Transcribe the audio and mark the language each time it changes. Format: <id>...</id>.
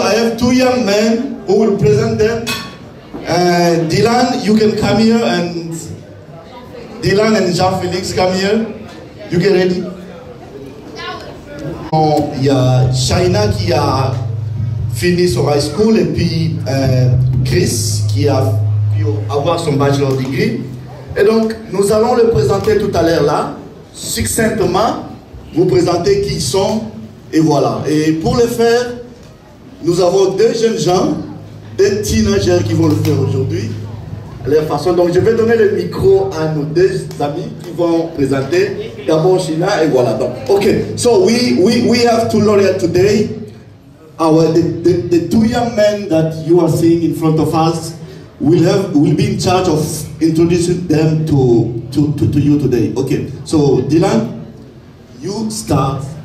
<en>I have two young men who will present them. Dylan, you can come here, and Dylan and Jean-Félix, come here. You get ready.</en> <fr>Bon, il y a Shaina qui a fini son high school et puis Chris qui a pu avoir son bachelor degree. Et donc, nous allons le présenter tout à l'heure là, succinctement, vous présenter qui ils sont et voilà. Et pour le faire, nous avons deux jeunes gens, deux teenagers qui vont le faire aujourd'hui. La façon. Donc, je vais donner le micro à nos deux amis qui vont présenter. D'abord, Shaina, et voilà. Donc, ok.</fr> <en>So, we have two lawyers today. The two young men that you are seeing in front of us will be in charge of introducing them to you today. Ok. So, Dylan, you start.</en>